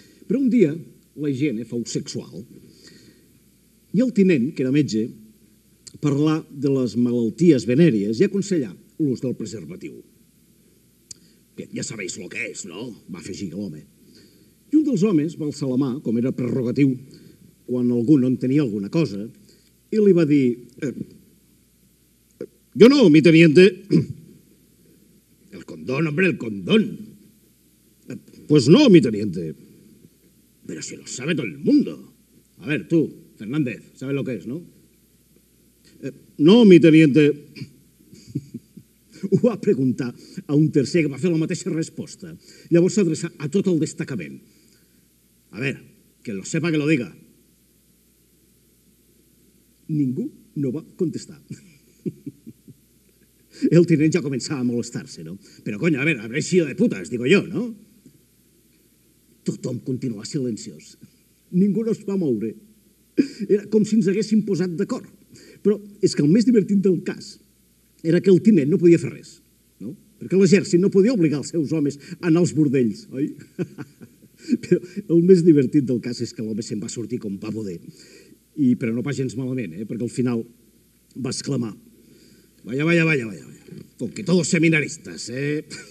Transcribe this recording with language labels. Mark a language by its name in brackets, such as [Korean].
[Catalan] Però un dia la higiene fou sexual i el tinent, que era metge, parlà de les malalties venèries i aconsellà l'ús del preservatiu. Ja sabeu lo que és, no? Va afegir l'home. I un dels homes va alçar la mà, com era prerrogatiu, quan algú no en tenia alguna cosa, i li va dir, jo no, [Spanish] mi teniente. El condón, hombre, el condón. Pues no, mi teniente. Pero si lo sabe todo el mundo. A ver, tú, Fernández, ¿sabes lo que es, no? No, mi teniente. [Catalan] Ho va preguntar a un tercer que va fer la mateixa resposta. Llavors s'adreça a tot el destacament. [Spanish] A ver, que lo sepa que lo diga. [Catalan] Ningú no va contestar. El tinent ja començava a molestar-se, no? Però, conya, a veure, a veure si de putes, digo jo, no? Tothom continuava silenciós. Ningú no es va moure. Era com si ens haguéssim posat d'acord. Però és que el més divertit del cas era que el tinent no podia fer res, no? Perquè l'exèrcit no podia obligar els seus homes a anar als bordells, oi? Però el més divertit del cas és que l'home se'n va sortir com va poder. Però no pas gens malament, perquè al final va exclamar [Spanish] «Vaya, vaya, vaya, vaya, con que todos seminaristas, ¿eh?